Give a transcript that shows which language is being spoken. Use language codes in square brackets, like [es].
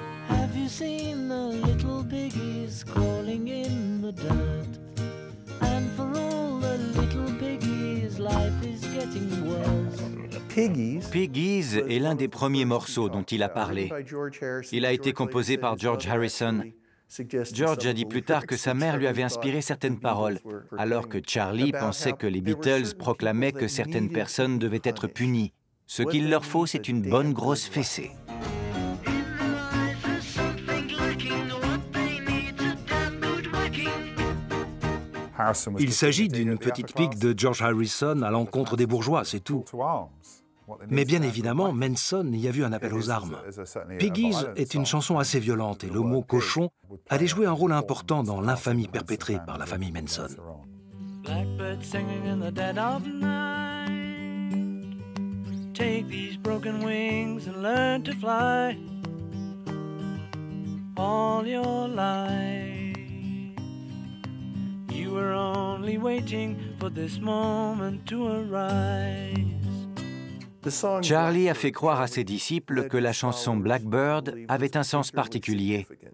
[en] Have you seen the little piggies crawling in the dirt? And for all the little piggies, life is getting worse. [fr] Piggies est l'un des premiers morceaux dont il a parlé. Il a été composé par George Harrison. George a dit plus tard que sa mère lui avait inspiré certaines paroles, alors que Charlie pensait que les Beatles proclamaient que certaines personnes devaient être punies. Ce qu'il leur faut, c'est une bonne grosse fessée. Il s'agit d'une petite pique de George Harrison à l'encontre des bourgeois, c'est tout. Mais bien évidemment, Manson y a vu un appel aux armes. Piggies est une chanson assez violente et le mot « cochon » allait jouer un rôle important dans l'infamie perpétrée par la famille Manson. [en] Blackbird singing in the dead of night. Take these broken wings and learn to fly. All your life. You were only waiting for this moment to arrive. [fr] Charlie a fait croire à ses disciples que la chanson Blackbird avait un sens particulier.